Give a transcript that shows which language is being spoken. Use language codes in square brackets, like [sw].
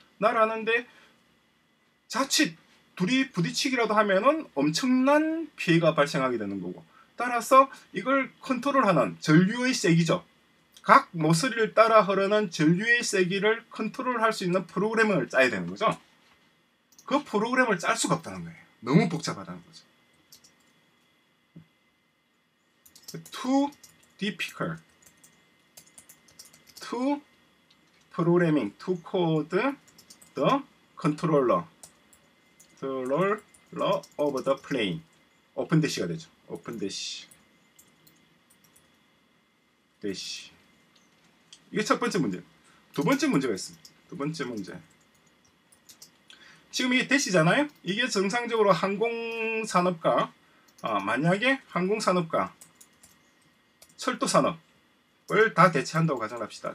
[ko] 날아가는데 자칫 둘이 부딪히기라도 하면은 엄청난 피해가 발생하게 되는 거고. 따라서 이걸 컨트롤하는 전류의 세기죠. 각 모서리를 따라 흐르는 전류의 세기를 컨트롤할 수 있는 프로그램을 짜야 되는 거죠. 그 프로그램을 짤 수가 없다는 거예요. 너무 복잡하다는 거죠. [en] Too difficult to programming to code the controller of the plane. [ko] Open dash가 되죠. Open dash. 이게 첫 번째 문제. 두 번째 문제가 있습니다. 두 번째 문제. 지금 이게 대시잖아요. 이게 정상적으로 항공산업과 만약에 항공산업과 철도산업을 다 대체한다고 가정합시다.